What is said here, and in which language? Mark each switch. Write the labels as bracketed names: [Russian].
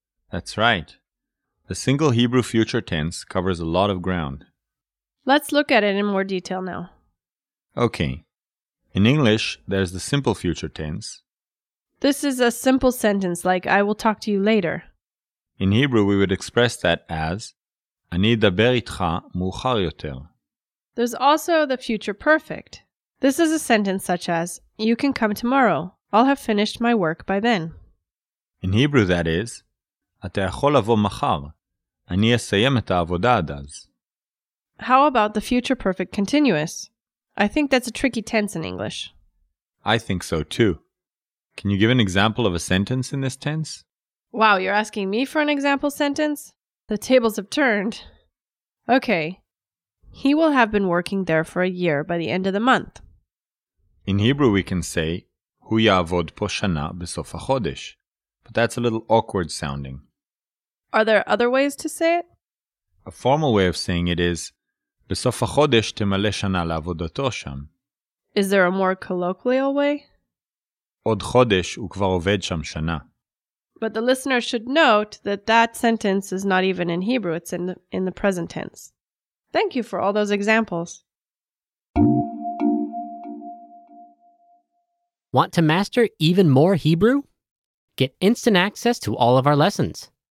[English] That's right. The single Hebrew future tense covers a lot of ground. Let's look at it in more detail now. Okay. In English, there's the simple future tense. This is a simple sentence like, I will talk to you later. In Hebrew, we would express that as, [Hebrew] אני אדבר איתך מאוחר יותר. [English] There's also the future perfect. This is a sentence such as, you can come tomorrow. I'll have finished my work by then. In Hebrew that is, [Hebrew] אתה יכול לבוא מחר. אני אסיים את העבודה עד אז. [English] How about the future perfect continuous? I think that's a tricky tense in English. I think so too. Can you give an example of a sentence in this tense? Wow, you're asking me for an example sentence? The tables have turned. Okay. He will have been working there for a year by the end of the month. In Hebrew we can say, [Hebrew] הוא יעבוד פה שנה בסוף החודש. [English] But that's a little awkward sounding. Are there other ways to say it? A formal way of saying it is, [Hebrew] בסוף החודש תמלא שנה לעבודתו שם. [English] Is there a more colloquial way? [Hebrew] עוד חודש הוא כבר עובד שם שנה. [English] But the listener should note that that sentence is not even in Hebrew, it's in the present tense. Thank you for all those examples. Want to master even more Hebrew? Get instant access to all of our lessons.